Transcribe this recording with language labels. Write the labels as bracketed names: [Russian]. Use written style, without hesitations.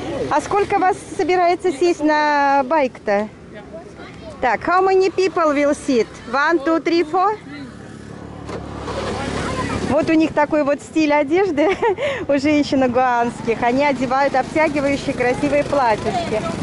[Russian] А сколько вас собирается сесть на байк-то? [English] Так, how many people will sit? One, two, three, four? [Russian] Вот у них такой вот стиль одежды у женщин гуанских. Они одевают обтягивающие красивые платьишки.